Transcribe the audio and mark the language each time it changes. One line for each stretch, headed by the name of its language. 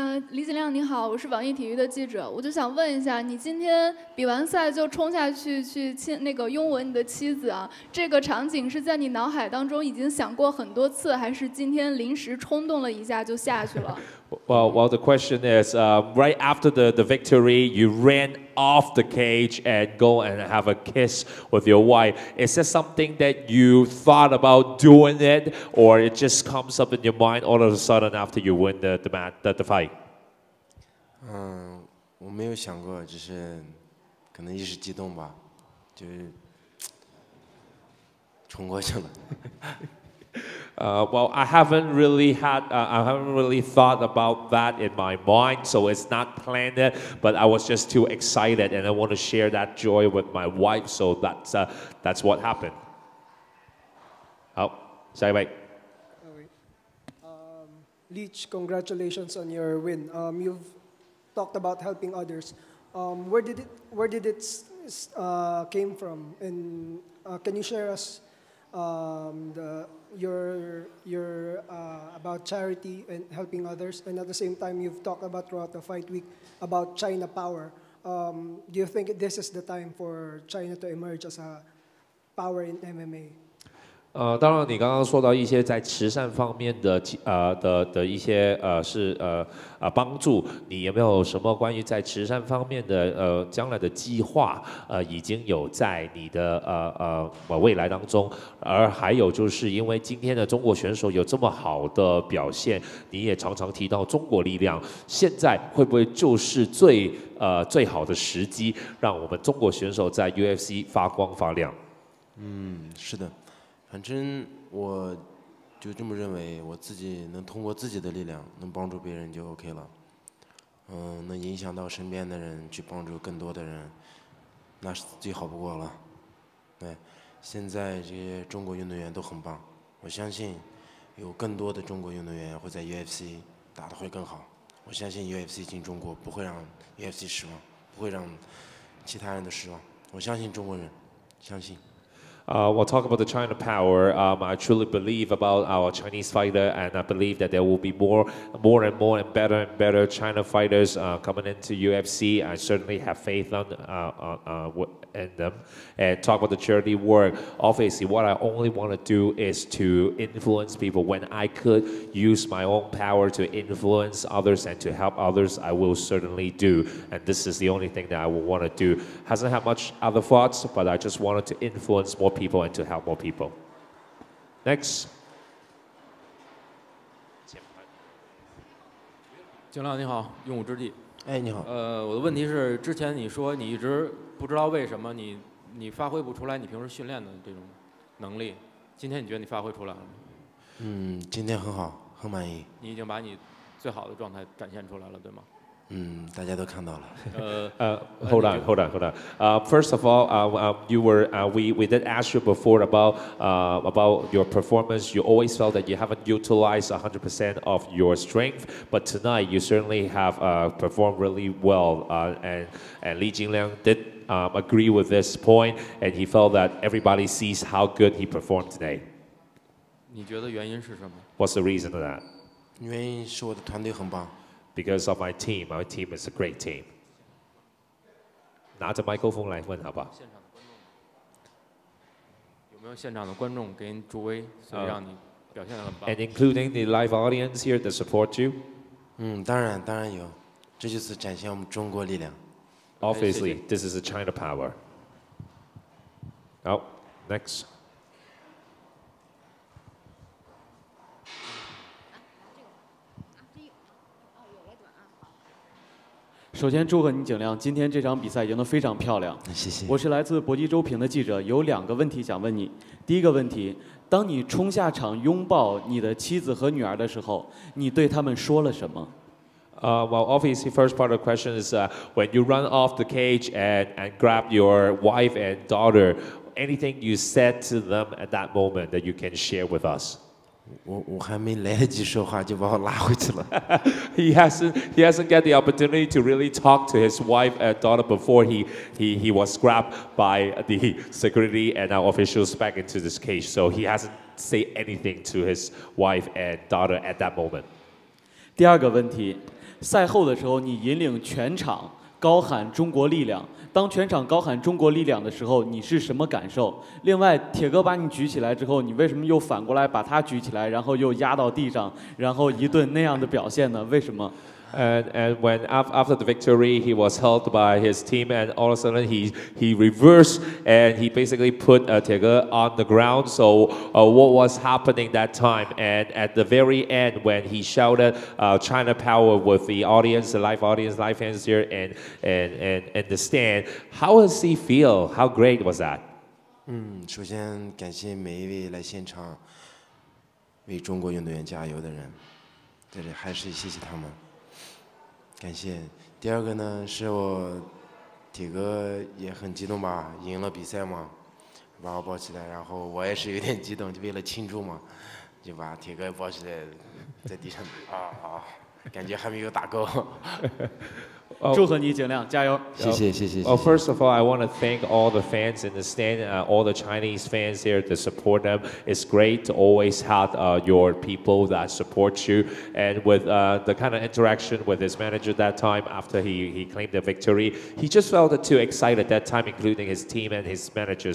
Chinese: 李景亮你好，我是网易体育的记者，我就想问一下，你今天比完赛就冲下去去亲那个拥吻你的妻子啊，这个场景是在你脑海当中已经想过很多次，还是今天临时冲动了一下就下去了？
English: Well, the question is, right after the victory, you ran off the cage and go and have a kiss with your wife. Is that something that you thought about doing it, or it just comes up in your mind all of a sudden after you win the fight?
Chinese: 我没有想过，只是可能一时激动吧，就冲过去了。
English: Well, I haven't really thought about that in my mind, so it's not planned, but I was just too excited, and I want to share that joy with my wife, so that's what happened.
Chinese: 好，下一位。
English: Leach, congratulations on your win. You've talked about helping others. Where did it came from? And can you share us about charity and helping others, and at the same time you've talked about throughout the fight week about China power. Do you think this is the time for China to emerge as a power in MMA?
Chinese: 当然你刚刚说到一些在慈善方面 的一些是帮助，你有没有什么关于在慈善方面的将来的计划已经有在你的未来当中，而还有就是因为今天的中国选手有这么好的表现，你也常常提到中国力量，现在会不会就是最好的时机让我们中国选手在 UFC 发光发亮？是的，反正我就这么认为，我自己能通过自己的力量能帮助别人就 OK 了，能影响到身边的人去帮助更多的人，那是最好不过了。对，现在这些中国运动员都很棒，我相信有更多的中国运动员会在 UFC 打得会更好，我相信 UFC 进中国不会让 UFC 失望，不会让其他人都失望，我相信中国人，相信。
English: We'll talk about the China power. I truly believe about our Chinese fighter, and I believe that there will be more and more and better China fighters coming into UFC. I certainly have faith in them. And talk about the charity work. Obviously, what I only want to do is to influence people. When I could use my own power to influence others and to help others, I will certainly do. And this is the only thing that I will want to do. Hasn't had much other thoughts, but I just wanted to influence more people and to help more people. Next.
Chinese: 景亮你好，用武之地。哎，你好。我的问题是，之前你说你一直不知道为什么你发挥不出来你平时训练的这种能力，今天你觉得你发挥出来了吗？今天很好，很满意。你已经把你最好的状态展现出来了，对吗？大家都看到了。
English: Hold on. First of all, you were we did ask you before about your performance. You always felt that you haven't utilized 100% of your strength, but tonight you certainly have performed really well. And Li Jingliang did agree with this point, and he felt that everybody sees how good he performed today.
Chinese: 你觉得原因是什么？
English: What's the reason for that?
Chinese: 原因是我的团队很棒。
English: Because of my team. My team is a great team.
Chinese: 拿着麦克风来问好不好？现场的观众，有没有现场的观众给你助威，所以让你表现得很棒。
English: And including the live audience here to support you?
Chinese: 当然有。这就是展现我们中国力量。
English: Obviously,
Chinese: okay, 谢谢。
English: This is a China power. Oh, next.
Chinese: 首先祝贺你景亮，今天这场比赛赢得非常漂亮。谢谢。我是来自搏击周评的记者，有两个问题想问你。第一个问题，当你冲下场拥抱你的妻子和女儿的时候，你对他们说了什么？
English: Well, obviously, first part of the question is when you run off the cage and grab your wife and daughter, anything you said to them at that moment that you can share with us?
Chinese: 我还没来得及说话就把我拉回去了。
English: he hasn't get the opportunity to really talk to his wife and daughter before he was grabbed by the security and our officials back into this cage. So he hasn't say anything to his wife and daughter at that moment.
Chinese: 第二个问题，赛后的时候你引领全场高喊中国力量，当全场高喊中国力量的时候你是什么感受？另外铁哥把你举起来之后，你为什么又反过来把他举起来，然后又压到地上，然后一顿那样的表现呢？为什么？
English: And when after the victory, he was held by his team, and all of a sudden he reversed and he basically put Tiger on the ground. So what was happening that time? And at the very end, when he shouted China Power with the audience, the live audience, live fans here, and the stand, how does he feel? How great was that?
Chinese: 首先感谢每一位来现场为中国运动员加油的人，这里还是谢谢他们。感谢。第二个呢，是我铁哥也很激动吧，赢了比赛嘛，把我抱起来，然后我也是有点激动，就为了庆祝嘛，就把铁哥抱起来，在地上啊，感觉还没有打够。祝贺你，景亮，加油！谢谢，谢谢。
English: Well, first of all, I want to thank all the fans in the stand, all the Chinese fans here to support them. It's great to always have your people that support you. And with the kind of interaction with his manager that time after he claimed the victory, he just felt too excited that time, including his team and his manager.